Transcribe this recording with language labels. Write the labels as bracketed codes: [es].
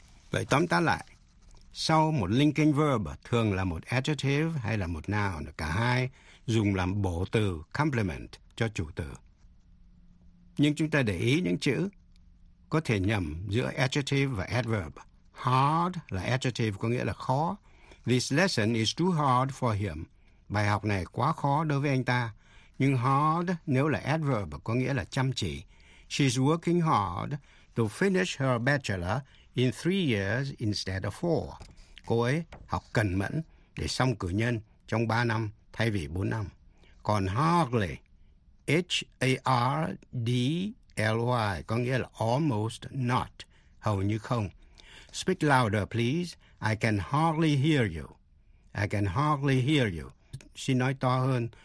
[vi] Vậy tóm tắt lại, sau một linking verb thường là một adjective hay là một noun, cả hai dùng làm bổ từ complement cho chủ từ. Nhưng chúng ta để ý những chữ có thể nhầm giữa adjective và adverb. Hard là adjective có nghĩa là khó. [en] This lesson is too hard for him. [vi] Bài học này quá khó đối với anh ta. Nhưng hard nếu là adverb có nghĩa là chăm chỉ. [en] She's working hard to finish her bachelor in 3 years instead of 4. [vi] Cô ấy học cần mẫn để xong cử nhân trong 3 năm thay vì 4 năm. Còn hardly, H-A-R-D-L-Y, có nghĩa là almost not, hầu như không. [en] Speak louder, please. I can hardly hear you. I can hardly hear you. [vi] Xin nói to hơn.